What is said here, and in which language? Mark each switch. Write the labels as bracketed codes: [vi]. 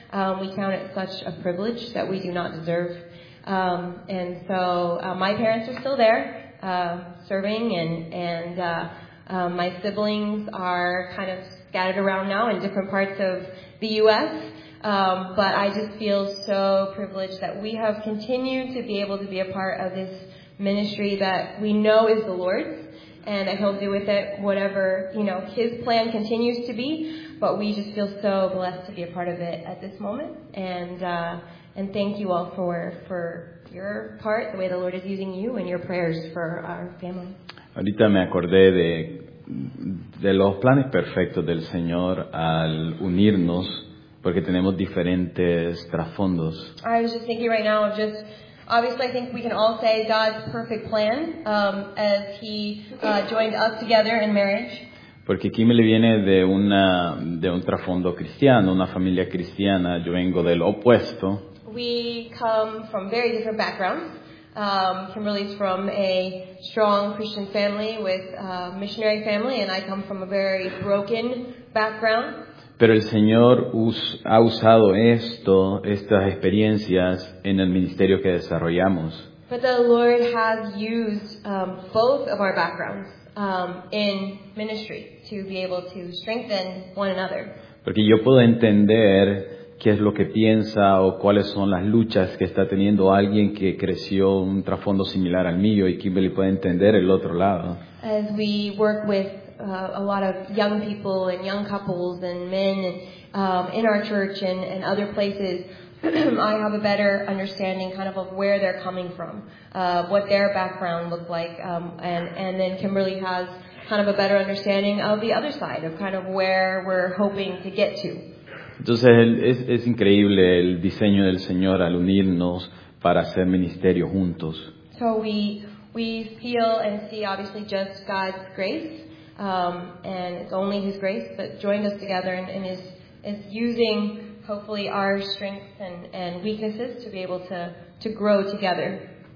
[en] We count it such a privilege that we do not deserve. And so my parents are still there serving, and my siblings are kind of scattered around now in different parts of the U.S., but I just feel so privileged that we have continued to be able to be a part of this ministry that we know is the Lord's, and that He'll do with it whatever, you know, His plan continues to be. But we just feel so blessed to be a part of it at this moment. And thank you all for your part, the way the Lord is using you, and your prayers for our family. [es] Ahorita me acordé de los planes perfectos del Señor al unirnos, porque tenemos diferentes trasfondos. [en] I was just thinking right now of just, obviously I think we can all say God's perfect plan as He joined us together in marriage. [es] Porque Kimberly viene de un trasfondo cristiano, una familia cristiana, yo vengo del opuesto. [en] We come from very different backgrounds. Kimberly's from a strong Christian family with a missionary family, and I come from a very broken background. [es] Pero el Señor ha usado estas experiencias en el ministerio que desarrollamos. [en] But the Lord has used both of our backgrounds in ministry to be able to strengthen one another. [es] Porque yo puedo entender qué es lo que piensa o cuáles son las luchas que está teniendo alguien que creció un trasfondo similar al mío, y Kimberly puede entender el otro lado. [en] As we work with a lot of young people and young couples and men in our church and other places, I have a better understanding kind of where they're coming from, what their background looked like, and then Kimberly has kind of a better understanding of the other side, of kind of where we're hoping to get to. [es] Entonces es increíble el diseño del Señor al unirnos para hacer ministerio juntos. [en] So we feel and see obviously just God's grace, and it's only His grace, but joined us together and is using hopefully our strengths and weaknesses to be able to grow together.